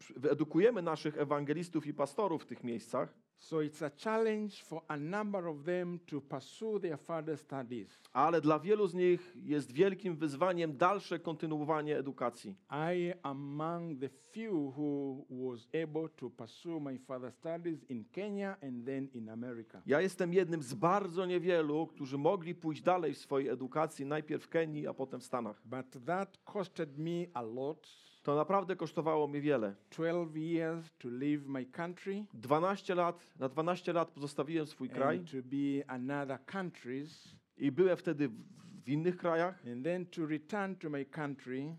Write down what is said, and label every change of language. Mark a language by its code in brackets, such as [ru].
[pl] Edukujemy naszych ewangelistów i pastorów w tych miejscach. [en] So it's a challenge for a number of them to pursue their further studies. [pl] Ale dla wielu z nich jest wielkim wyzwaniem dalsze kontynuowanie edukacji. [en] I among the few who was able to pursue my further studies in Kenya and then in America. [pl] Ja jestem jednym z bardzo niewielu, którzy mogli pójść dalej w swojej edukacji, najpierw w Kenii, a potem w Stanach. [en] But that costed me a lot. [pl] To naprawdę kosztowało mi wiele. [en] 12 years to leave my country. [pl] 12 lat. Na 12 lat pozostawiłem swój kraj [en] and to be another countries, [pl] i byłem wtedy w innych krajach [en] and then to return to my country,